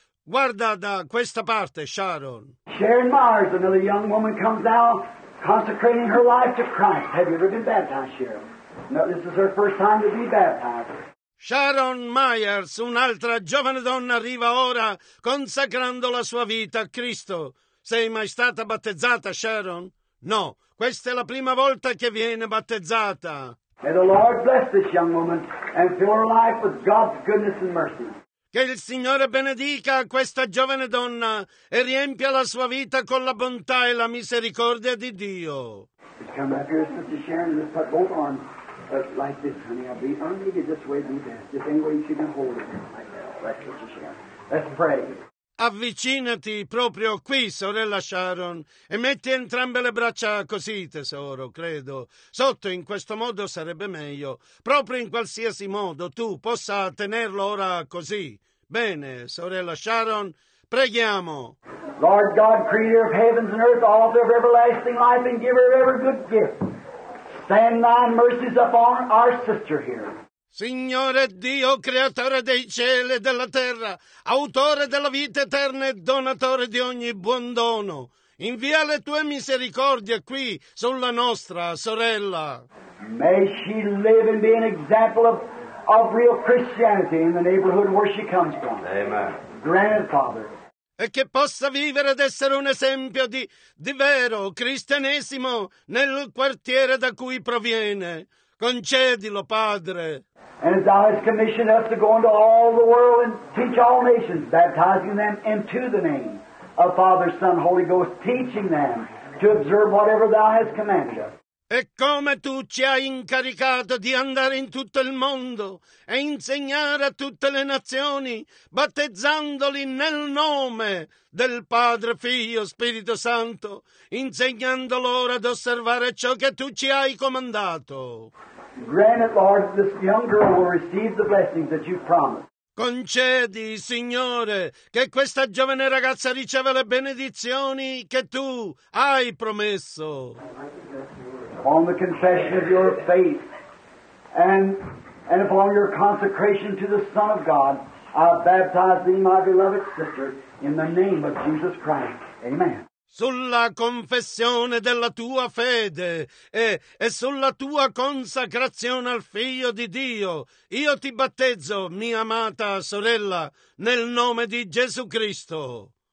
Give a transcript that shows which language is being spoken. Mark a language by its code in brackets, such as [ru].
[it] Guarda da questa parte, Sharon. [en] Sharon Myers, another young woman comes out consecrating her life to Christ. Have you ever been baptized, Sharon? No, this is her first time to be baptized. [it] Sharon Myers, un'altra giovane donna arriva ora consacrando la sua vita a Cristo. Sei mai stata battezzata, Sharon? No, questa è la prima volta che viene battezzata. [en] May the Lord bless this young woman and fill her life with God's goodness and mercy. [it] Che il Signore benedica questa giovane donna e riempia la sua vita con la bontà e la misericordia di Dio. [en] Just come up here, Sister Sharon, and just put both arms like this, honey. I'll be underneath it this way, do this. Just any way you can hold it. Right now, Sister Sharon. Let's pray. [it] Avvicinati proprio qui, sorella Sharon, e metti entrambe le braccia così, tesoro, credo. Sotto, in questo modo sarebbe meglio. Proprio in qualsiasi modo tu possa tenerlo ora così. Bene, sorella Sharon, preghiamo. [en] Lord God, creator of heavens and earth, author of everlasting life and giver of every good gift, send thy mercies upon our sister here. [it] Signore Dio, creatore dei cieli e della terra, autore della vita eterna e donatore di ogni buon dono, invia le tue misericordie qui sulla nostra sorella. [en] May she live and be an example of real Christianity in the neighborhood where she comes from. Amen. Grandfather. [it] E che possa vivere ed essere un esempio di vero cristianesimo nel quartiere da cui proviene. Concedilo, Padre. [en] And as thou hast commissioned us to go into all the world and teach all nations, baptizing them into the name of Father, Son, Holy Ghost, teaching them to observe whatever thou hast commanded us. [it] E come tu ci hai incaricato di andare in tutto il mondo e insegnare a tutte le nazioni, battezzandoli nel nome del Padre, Figlio, Spirito Santo, insegnando loro ad osservare ciò che tu ci hai comandato. [en] Grant it, Lord, that this young girl will receive the blessings that you promised. [it] Concedi, Signore, che questa giovane ragazza riceva le benedizioni che tu hai promesso. [en] Upon the confession of your faith and upon your consecration to the Son of God, I baptize thee, my beloved sister, in the name of Jesus Christ. Amen. [it] Sulla confessione della tua fede e sulla tua consacrazione al Figlio di Dio, io ti battezzo, mia amata sorella, nel nome di Gesù Cristo.